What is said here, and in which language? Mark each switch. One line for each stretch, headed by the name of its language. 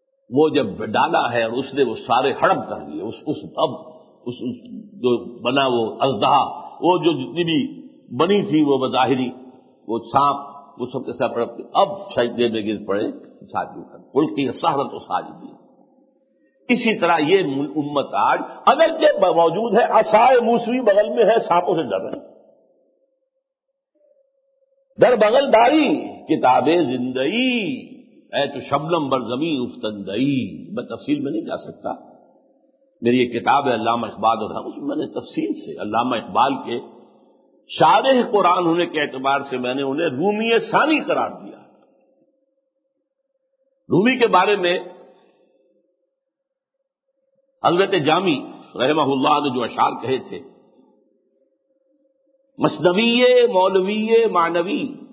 Urdu: وہ جب ڈالا ہے اور اس نے وہ سارے ہڑپ کر لیے، اس جو بنا وہ اژدہا، وہ جو جتنی بھی بنی تھی وہ بظاہری وہ سانپ، وہ سب کے ساتھ ہڑپ کے اب سجدے میں گر پڑے ساجدہ کر، کل کی سہرت و ساجدی. اسی طرح یہ امت آج اگرچہ موجود ہے، عصائے موسوی بغل میں ہے، سانپوں سے ڈر رہے ہیں.
Persian: در بغل داری کتاب زندگی، اے تو شبنم بر زمین افتندئی.
Urdu: میں تفصیل میں نہیں جا سکتا، میری یہ کتاب ہے علامہ اقبال، اور اس میں نے تفصیل سے علامہ اقبال کے شارح قرآن ہونے کے اعتبار سے میں نے انہیں رومی ثانی قرار دیا. رومی کے بارے میں حضرت جامی رحمہ اللہ نے جو اشعار کہے تھے، مثنوی مولوی معنوی